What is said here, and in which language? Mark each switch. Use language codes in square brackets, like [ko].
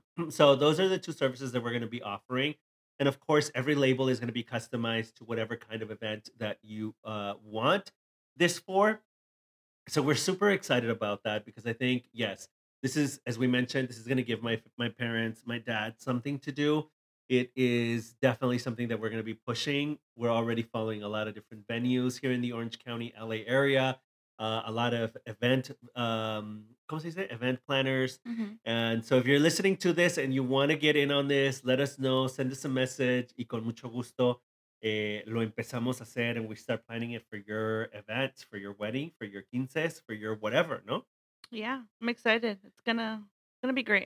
[en] So those are the two services that we're going to be offering. And of course, every label is going to be customized to whatever kind of event that you want this for. So we're super excited about that, because I think, yes, this is, as we mentioned, this is going to give my parents, my dad, something to do. It is definitely something that we're going to be pushing. We're already following a lot of different venues here in the Orange County, LA area. A lot of event, [es] ¿cómo se dice? [en] Event planners. Mm-hmm. And so if you're listening to this and you want to get in on this, let us know, send us a message. [es] Y con mucho gusto, lo empezamos a hacer, [en] and we start planning it for your events, for your wedding, for your quinces, for your whatever, ¿no? Yeah, I'm excited. It's gonna be great.